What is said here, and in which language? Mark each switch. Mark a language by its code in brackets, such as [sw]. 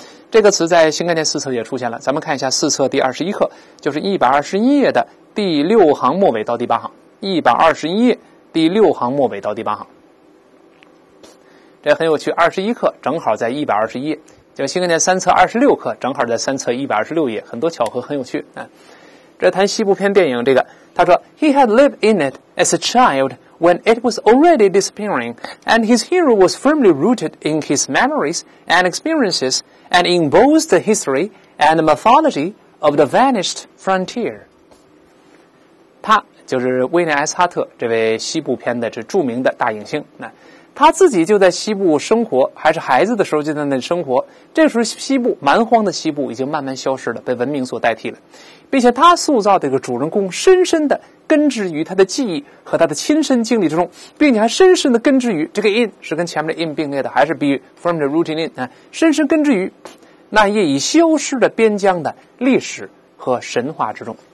[zh] 这个词在新概念四册也出现了，咱们看一下四册第21课，就是121页的第6行末尾到第8行，121页第6行末尾到第8行。也很有趣，21课正好在120页，就新概念三册26课正好在三册126页，很多巧合，很有趣。这谈西部片电影，这个他说 [en] He had lived in it as a child when it was already disappearing, and his hero was firmly rooted in his memories and experiences and in both the history and the mythology of the vanished frontier. [zh] 他就是威廉 S. 哈特，这位西部片的这著名的大影星。他自己就在西部生活，还是孩子的时候就在那里生活，这时候西部蛮荒的西部已经慢慢消失了，被文明所代替了，并且他塑造的这个主人公深深的根植于他的记忆和他的亲身经历之中，并且还深深的根植于这个 in 是跟前面的 in 并列的，还是 [en] be from the rooting in、 [zh] 深深根植于那夜已消失的边疆的历史和神话之中。